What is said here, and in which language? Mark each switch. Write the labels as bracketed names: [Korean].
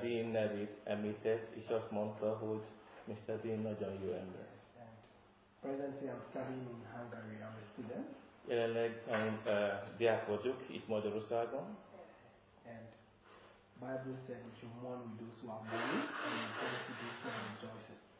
[Hungarian] Dean nevét említett, és azt mondta, hogy Mr. Dean nagyon jó ember. [English] Presently I'm studying in Hungary, I'm a student. [Hungarian] Jelenleg én diák vagyok itt Magyarországon. [English] And Bible said that you mourn with those who are mourning, and you mourn with those who are rejoicing.